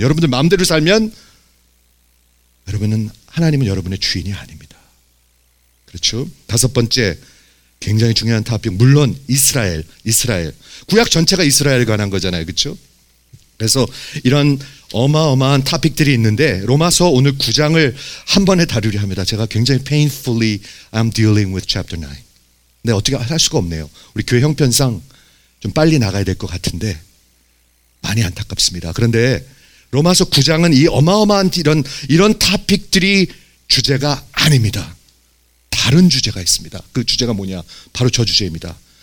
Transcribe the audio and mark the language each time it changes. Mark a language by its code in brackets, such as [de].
[ko] 여러분들 마음대로 살면 여러분은 하나님은 여러분의 주인이 아닙니다. 그렇죠? 다섯 번째, 굉장히 중요한 토픽. 물론 이스라엘. 구약 전체가 이스라엘에 관한 거잖아요. 그렇죠? 그래서 이런 어마어마한 토픽들이 있는데 로마서 오늘 9장을 한 번에 다루려 합니다. 제가 굉장히 [en] painfully I'm dealing with chapter 9. [ko] 근데 어떻게 할 수가 없네요. 우리 교회 형편상 좀 빨리 나가야 될 것 같은데 많이 안타깝습니다. 그런데 로마서 9장은 이 어마어마한 이런 토픽들이 주제가 아닙니다. 다른 주제가 있습니다. 그 주제가 뭐냐? 바로 저 주제입니다.